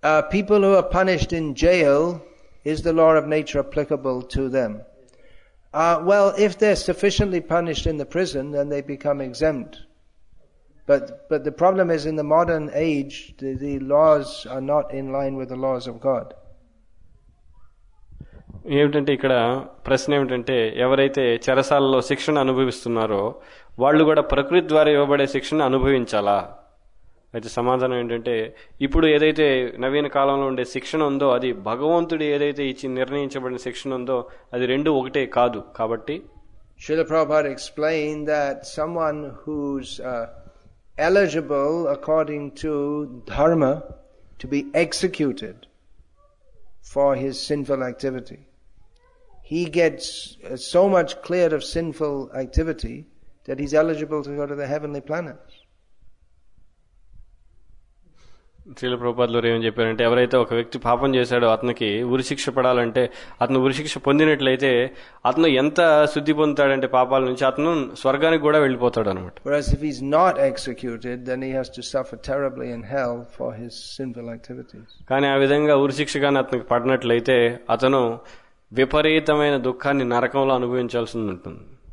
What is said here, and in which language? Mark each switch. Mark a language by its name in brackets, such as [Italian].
[English] People who are punished in jail, is the law of nature applicable to them? Well, if they're sufficiently punished in the prison, then they become exempt. But the problem is, in the modern age, the laws are not in line with the laws of God. [Telugu] ఏమిటంటే ఇక్కడ ప్రశ్న ఏమిటంటే, ఎవరైతే చెరసాలలో శిక్షణ అనుభవిస్తున్నారో వాళ్ళు కూడా ప్రకృతి ద్వారా ఇవ్వబడే శిక్షణ అనుభవించాలా? అయితే సమాధానం ఏంటంటే, ఇప్పుడు ఏదైతే నవీన కాలంలో ఉండే శిక్షణ ఉందో అది భగవంతుడు ఏదైతే ఇచ్చి నిర్ణయించబడిన శిక్షణ ఉందో అది రెండు ఒకటే కాదు. కాబట్టి [English] Srila Prabhupada explained that someone who's eligible according to dharma to be executed for his sinful activity, he gets so much cleared of sinful activity that he's eligible to go to the heavenly planet. [Telugu] Srila ప్రభుపాదులు ఏమని చెప్పారంటే, ఎవరైతే ఒక వ్యక్తి పాపం చేశాడో అతనికి ఉరిశిక్ష పడాలంటే, అతను ఉరిశిక్ష పొందినట్లయితే అతను ఎంత శుద్ధి పొందుతాడంటే పాపాల నుంచి అతను స్వర్గానికి కూడా వెళ్ళిపోతాడు అనమాట. [English] Whereas if he's not executed, then he has to suffer terribly in hell for his sinful activities. [Telugu] కానీ ఆ విధంగా ఉరిశిక్ష గాని అతనికి పడినట్లయితే అతను విపరీతమైన దుఃఖాన్ని నరకంలో అనుభవించాల్సి ఉంటుంది.